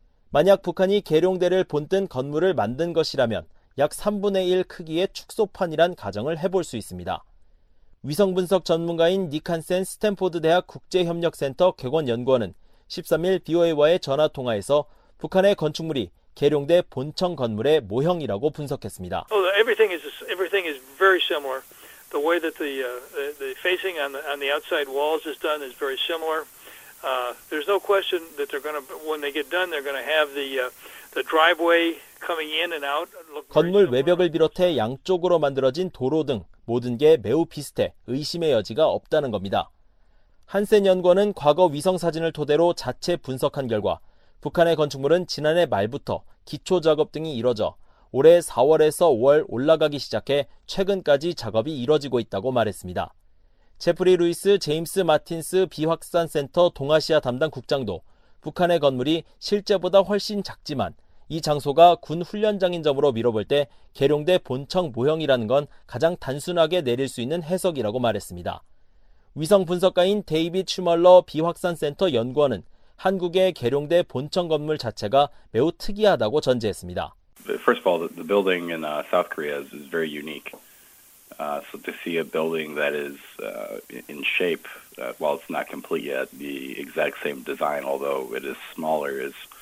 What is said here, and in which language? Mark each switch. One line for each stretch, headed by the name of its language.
Korean: 만약 북한이 계룡대를 본뜬 건물을 만든 것이라면 약 3분의 1 크기의 축소판이란 가정을 해볼 수 있습니다. 위성 분석 전문가인 닉 한센 스탠포드 대학 국제협력센터 객원연구원은 13일 BOA와의 전화통화에서 북한의 건축물이 계룡대 본청 건물의 모형이라고 분석했습니다.
English: Everything is very similar. The way that the facing on the outside walls is done is very similar. There's no question that they're going to when they get done they're going to have the driveway coming in and out.
Korean: 건물 외벽을 비롯해 양쪽으로 만들어진 도로 등 모든 게 매우 비슷해 의심의 여지가 없다는 겁니다. 한센 연구원은 과거 위성 사진을 토대로 자체 분석한 결과 북한의 건축물은 지난해 말부터 기초 작업 등이 이뤄져 올해 4월에서 5월 올라가기 시작해 최근까지 작업이 이뤄지고 있다고 말했습니다. 제프리 루이스 제임스 마틴스 비확산 센터 동아시아 담당 국장도 북한의 건물이 실제보다 훨씬 작지만 이 장소가 군 훈련장인 점으로 미뤄볼 때 계룡대 본청 모형이라는 건 가장 단순하게 내릴 수 있는 해석이라고 말했습니다. 위성 분석가인 데이빗 슈멀러 비확산 센터 연구원은 한국의 계룡대 본청 건물 자체가 매우 특이하다고 전제했습니다.
English: First of all, the building in South Korea is very unique. So to see a building that is in shape, while it's not complete yet, the exact same design, although it is smaller, is